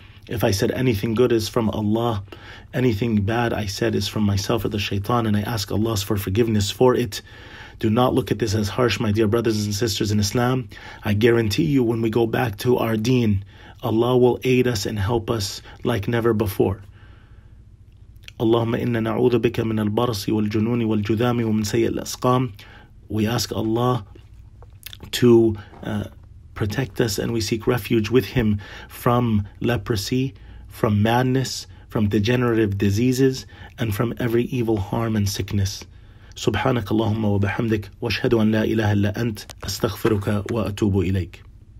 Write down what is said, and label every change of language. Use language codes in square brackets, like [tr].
[en] If I said anything good is from Allah, anything bad I said is from myself or the shaitan, and I ask Allah for forgiveness for it. Do not look at this as harsh, my dear brothers and sisters in Islam. I guarantee you, when we go back to our deen, Allah will aid us and help us like never before. [ar] اللهم إنا نعوذ بك من البرص والجنون والجذام ومن سيء الأسقام. [en] We ask Allah to protect us, and we seek refuge with Him from leprosy, from madness, from degenerative diseases, and from every evil harm and sickness. [ar] سبحانك اللهم وبحمدك واشهد أن لا إله إلا أنت أستغفرك وأتوب إليك.